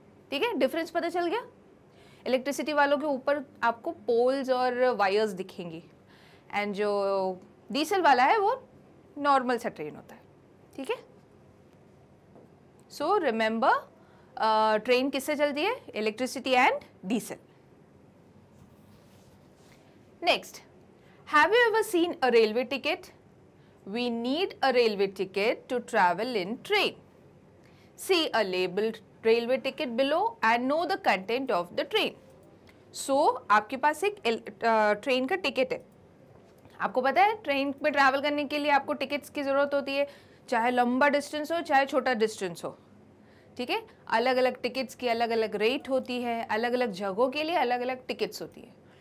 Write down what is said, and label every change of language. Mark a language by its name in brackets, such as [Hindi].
[Hindi] ठीक है, डिफरेंस पता चल गया? इलेक्ट्रिसिटी वालों के ऊपर आपको पोल्स और वायर्स दिखेंगी, एंड जो डीजल वाला है वो नॉर्मल सा ट्रेन होता है. ठीक है, [English] so remember, [Hindi] ट्रेन किससे चलती है? [English] Electricity and diesel. Next, have you ever seen a railway ticket? We need a railway ticket to travel in train. See a labeled railway ticket below and know the content of the train. [Hindi] So, आपके पास एक train का ticket है. आपको पता है train में travel करने के लिए आपको टिकट्स की ज़रूरत होती है, चाहे लंबा डिस्टेंस हो चाहे छोटा डिस्टेंस हो. ठीक है, अलग अलग टिकट्स की अलग अलग रेट होती है, अलग अलग जगहों के लिए अलग अलग टिकट्स होती है.